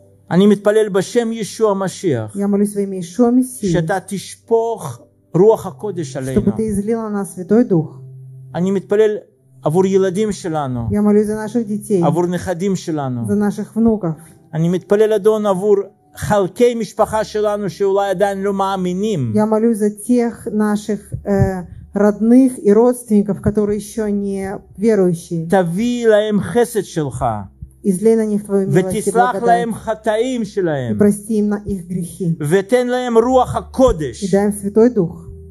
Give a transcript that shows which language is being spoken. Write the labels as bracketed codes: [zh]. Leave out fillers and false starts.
[ru] Я молюсь во имя Иешуа Мессии, чтобы ты излил на нас Святой Дух. Я молюсь за наших детей, за наших внуков. [he] אני מתפלל לאדון עבור חלקי משפחה שלנו שאולי עדיין לא מאמינים. [ru] Я молюсь за тех наших родных и родственников, которые еще не верующие. [he] תביא להם חסד שלך. [ru] Излей на них твою милость и благодать. [he] ותסלח להם חטאים שלהם. [ru] И прости им на их грехи. [he] ותן להם רוח הקודש. [ru] И дай им Святой Дух.